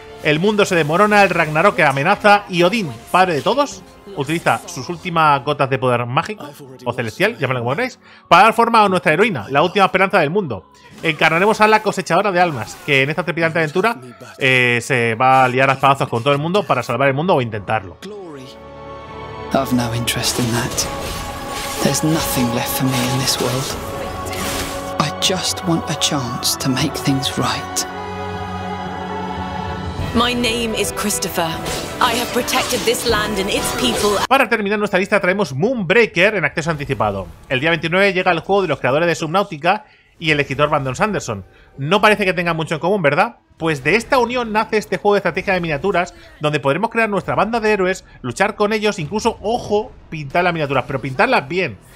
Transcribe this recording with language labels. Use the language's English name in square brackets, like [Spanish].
[Spanish] El mundo se desmorona, el Ragnarok amenaza y Odín, padre de todos, utiliza sus últimas gotas de poder mágico o celestial, llámalo como queráis, para dar forma a nuestra heroína, la última esperanza del mundo. Encarnaremos a la cosechadora de almas, que en esta trepidante aventura se va a liar a espadazos con todo el mundo para salvar el mundo o intentarlo. [English] I've no interest in that. There's nothing left for me in this world. I just want a chance to make things right. My name is Christopher. I have protected this land and its people. [Spanish] Para terminar nuestra lista traemos Moonbreaker en acceso anticipado. El día 29 llega el juego de los creadores de Subnautica y el escritor Brandon Sanderson. No parece que tengan mucho en común, ¿verdad? Pues de esta unión nace este juego de estrategia de miniaturas, donde podremos crear nuestra banda de héroes, luchar con ellos, incluso, ojo, pintar las miniaturas, pero pintarlas bien.